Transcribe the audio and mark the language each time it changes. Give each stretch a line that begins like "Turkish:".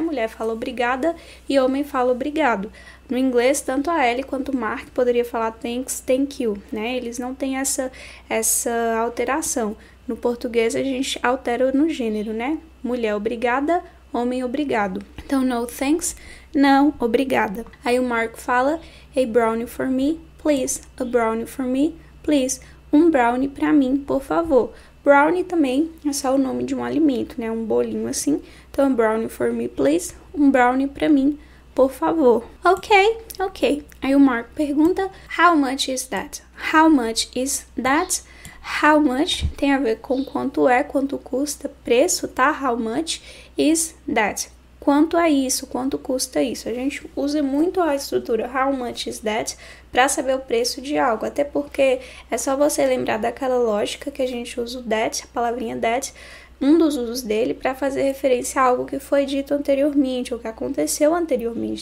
Portuguese: Mulher fala obrigada e homem fala obrigado. No inglês, tanto a Ellie quanto o Mark poderia falar
English: thanks, thank you,
Portuguese: né? Eles não têm essa alteração. No português, a gente altera no gênero, né? Mulher, obrigada. Homem, obrigado. Então, no thanks, não, obrigada. Aí o Mark fala,
English: a brownie for me, please. A brownie for me, please.
Portuguese: Um brownie pra mim, por favor. Brownie também é só o nome de um alimento, né? Um bolinho assim.
English: Então, a brownie for me, please.
Portuguese: Um brownie pra mim, por favor. Ok, ok. Aí o Mark pergunta,
English: how much is that? How much is that? How much
Portuguese: tem a ver com quanto é, quanto custa, preço, tá?
English: How much is that?
Portuguese: Quanto é isso? Quanto custa isso? A gente usa muito a estrutura
English: how much is that
Portuguese: para saber o preço de algo. Até porque é só você lembrar daquela lógica que a gente usa o that, a palavrinha that, um dos usos dele para fazer referência a algo que foi dito anteriormente ou que aconteceu anteriormente.